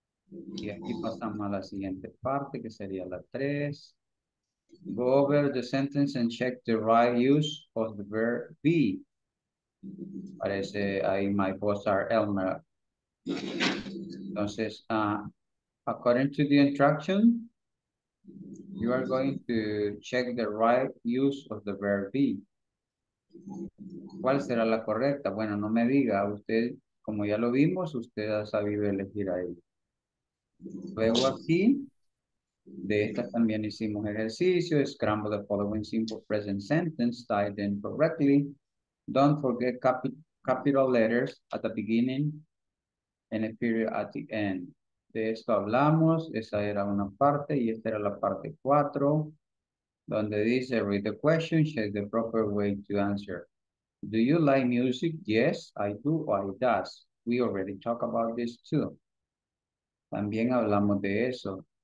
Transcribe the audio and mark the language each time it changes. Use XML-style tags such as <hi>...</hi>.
<es>Y aquí pasamos a la siguiente parte, que sería la 3.</es> <en>Go over the sentence and check the right use of the verb be.</en> <es>Parece ahí,</es> <en>my boss are Elmer.</en> <es>Entonces,</es> <en>according to the instruction, you are going to check the right use of the verb be.</en> <es>¿Cuál será la correcta? Bueno, no me diga, usted, como ya lo vimos, usted ha sabido elegir ahí. Luego aquí, de esta también hicimos ejercicio,</es> <en>scramble the following simple present sentence, type them correctly. Don't forget capital letters at the beginning and a period at the end.</en> <es>De esto hablamos, esa era una parte y esta era la parte 4. Donde dice,</es> <en>read the question, check the proper way to answer. Do you like music? Yes, I do, or I does. We already talked about this too.</en> <es>También hablamos de eso.</es>